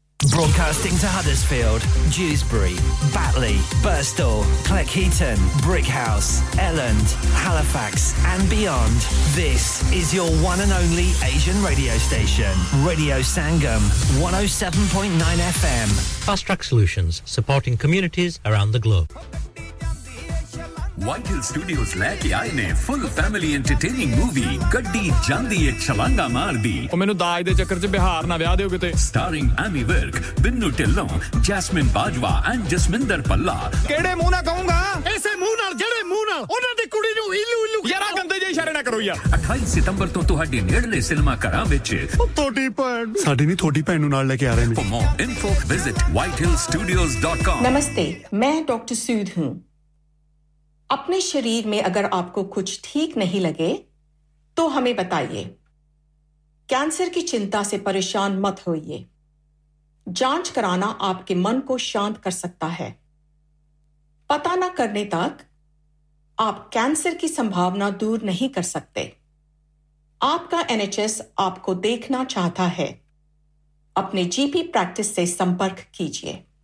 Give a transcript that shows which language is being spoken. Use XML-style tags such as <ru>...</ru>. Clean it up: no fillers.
<en>Broadcasting to Huddersfield, Dewsbury, Batley, Birstall, Cleckheaton, Brickhouse, Elland, Halifax and beyond. This is your one and only Asian radio station. Radio Sangam, 107.9 FM. Fast Track Solutions, supporting communities around the globe.</en> <pa>Whitehill Studios ਲੈ ਕੇ ਆਏ ਨੇ full family entertaining movie ਗੱਡੀ ਜਾਂਦੀ ਏ ਛਲਾਂਗਾ ਮਾਰਦੀ ਉਹ ਮੈਨੂੰ ਦਾਜ ਦੇ ਚੱਕਰ ਚ ਬਿਹਾਰ ਨਾ ਵਿਆਹ ਦਿਓ ਕਿਤੇ starring Ammy Virk Binnu Dhillon Jasmine Bajwa and Jaswinder ਪੱਲਾ ਕਿਹੜੇ ਮੂੰਹ ਨਾਲ ਕਹੂੰਗਾ ਇਸੇ ਮੂੰਹ ਨਾਲ ਜਿਹੜੇ ਮੂੰਹ ਨਾਲ ਉਹਨਾਂ ਦੀ ਕੁੜੀ ਨੂੰ ਇਲੂ ਇਲੂ ਯਾਰਾ ਗੰਦੇ ਜੇ ਇਸ਼ਾਰੇ ਨਾ ਕਰੋ ਯਾਰ 28 ਸਤੰਬਰ ਤੋਂ ਤੁਹਾਡੇ ਨੇੜਲੇ ਸਿਨੇਮਾ ਘਰਾਂ ਵਿੱਚ ਤੁਹਾਡੀ ਭੈਣ ਸਾਡੀ ਨਹੀਂ ਤੁਹਾਡੀ ਭੈਣ ਨੂੰ ਨਾਲ ਲੈ ਕੇ ਆ ਰਹੇ ਨੇ</pa> <en>for more info visit whitehillstudios.com</en> <pa>ਨਮਸਤੇ ਮੈਂ ਡਾਕਟਰ ਸੂਦ ਹਾਂ</pa> <hi>अपने शरीर में अगर आपको कुछ ठीक नहीं लगे तो हमें बताइए कैंसर की चिंता से परेशान मत होइए जांच कराना आपके मन को शांत कर सकता है पता न करने तक आप कैंसर की संभावना दूर नहीं कर सकते आपका एनएचएस आपको देखना चाहता है अपने जीपी प्रैक्टिस से संपर्क कीजिए</hi>